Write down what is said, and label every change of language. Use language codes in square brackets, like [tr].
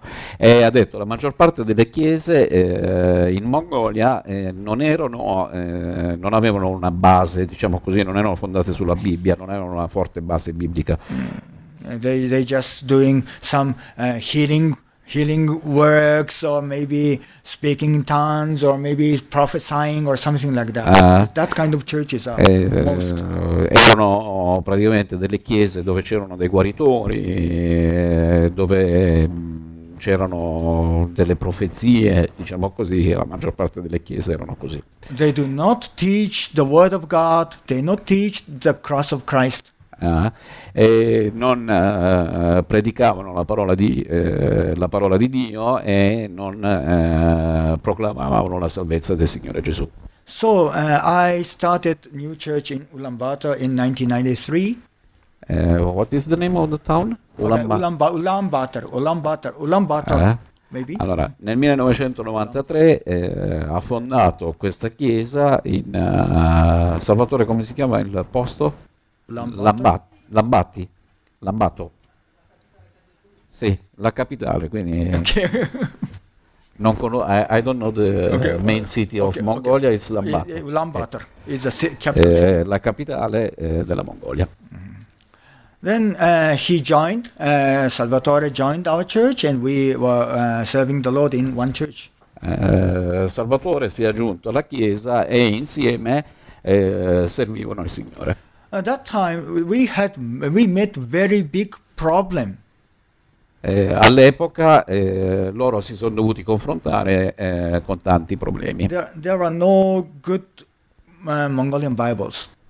[it] Ha detto la maggior parte delle chiese in Mongolia non avevano una base, diciamo così, non erano fondate sulla Bibbia, non erano una forte base biblica. [en] They just doing some healing works or maybe speaking in tongues or maybe prophesying or something like that. That kind of churches are most. [it] Erano praticamente delle chiese dove c'erano dei guaritori, dove c'erano delle profezie, diciamo così, la maggior parte delle chiese erano così. [en] They do not teach the word of God, they not teach the cross of Christ. [it] E non predicavano la parola di Dio e non proclamavano la salvezza del Signore Gesù. [en] So I started new church in Ulaanbaatar in 1993. What is the name of the town? Ulaanbaatar. Maybe. [it] Allora, nel 1993 ha fondato questa chiesa in Salvatore, come si chiama il posto? Lambati. [en] Lambato. [it] Sì, la capitale, quindi non conosco, [en] I don't know the main city of Mongolia, it's Lambato. Ulaanbaatar is the capital city. [it] La capitale della Mongolia. [en] Then he joined, Salvatore joined our church and we were serving the Lord in one church. [it] Salvatore si è aggiunto alla chiesa e insieme servivano il Signore. [en] At that time we met very big problem. [it] All'epoca loro si sono dovuti confrontare con tanti problemi. [en] There are no good Mongolian Bibles.